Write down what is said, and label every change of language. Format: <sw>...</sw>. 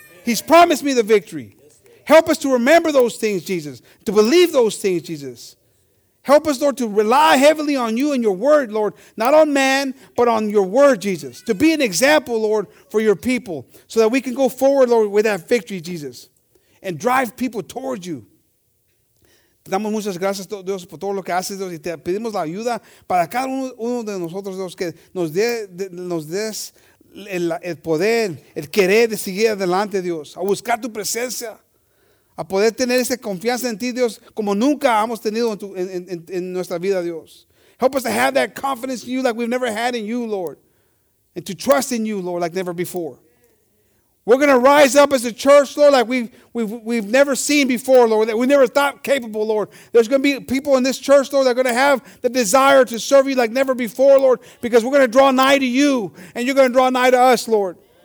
<en>He's promised me the victory. Help us to remember those things, Jesus, to believe those things, Jesus. Help us, Lord, to rely heavily on you and your word, Lord, not on man, but on your word, Jesus, to be an example, Lord, for your people so that we can go forward, Lord, with that victory, Jesus. And drive people towards you.</en> <es>Te damos muchas gracias, Dios, por todo lo que haces, Dios. Y te pedimos la ayuda para cada uno de nosotros, Dios, que nos des el poder, el querer de seguir adelante, Dios. A buscar tu presencia. A poder tener esa confianza en ti, Dios, como nunca hemos tenido en nuestra vida, Dios.</es> <en>Help us to have that confidence in you like we've never had in you, Lord. And to trust in you, Lord, like never before. We're going to rise up as a church, Lord, like we've never seen before, Lord, that we never thought capable, Lord. There's going to be people in this church, Lord, that are going to have the desire to serve you like never before, Lord, because we're going to draw nigh to you, and you're going to draw nigh to us, Lord.</en>